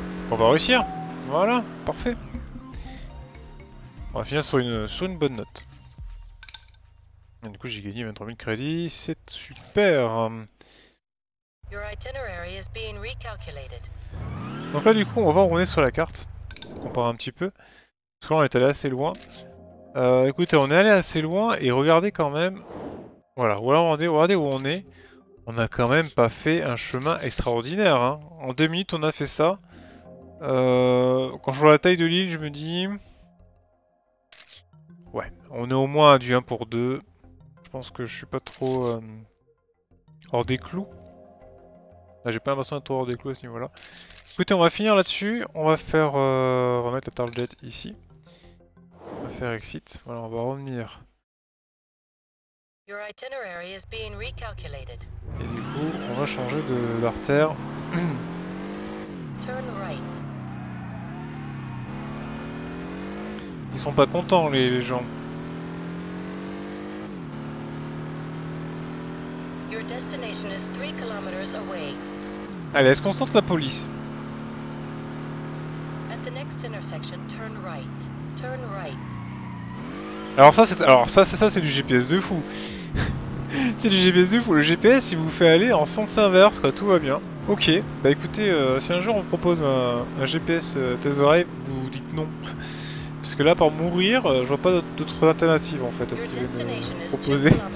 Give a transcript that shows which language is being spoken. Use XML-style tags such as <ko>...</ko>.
<fr>On va réussir. Voilà, parfait. On va finir sur une bonne note. Et du coup, j'ai gagné 23 000 crédits. C'est super.</fr> <en>Your itinerary is being recalculated.</en> <fr>Donc là, du coup, on va voir où on est sur la carte. On compare un petit peu. Parce que là, on est allé assez loin. Écoutez, on est allé assez loin et regardez quand même. Voilà, regardez où on est. On a quand même pas fait un chemin extraordinaire. Hein. En 2 minutes, on a fait ça. Quand je vois la taille de l'île, je me dis. Ouais, on est au moins à du 1 pour 2. Je pense que je suis pas trop hors des clous. Là, j'ai pas l'impression d'être trop hors des clous à ce niveau-là. Écoutez, on va finir là-dessus. On va faire remettre la target ici. On va faire exit. Voilà, on va revenir.</fr> <en>Your itinerary is being recalculated.</en> <fr>Et du coup, on va changer d'artère.</fr> <en>Turn right.</en> <fr>Ils sont pas contents, les gens.</fr> <en>Your destination is 3 kilometers away.</en> <fr>Allez, est-ce qu'on sente la police?</fr> <en>At the next intersection, turn right. Turn right.</en> <fr>Alors ça, c'est du GPS de fou. C'est du GPS de fou. Le GPS, il vous fait aller en sens inverse, quoi. Tout va bien. Ok, bah écoutez, si un jour on vous propose un GPS test drive, vous dites non. Parce que là, pour mourir, je vois pas d'autres alternatives en fait à ce qu'il veut me proposer.</fr>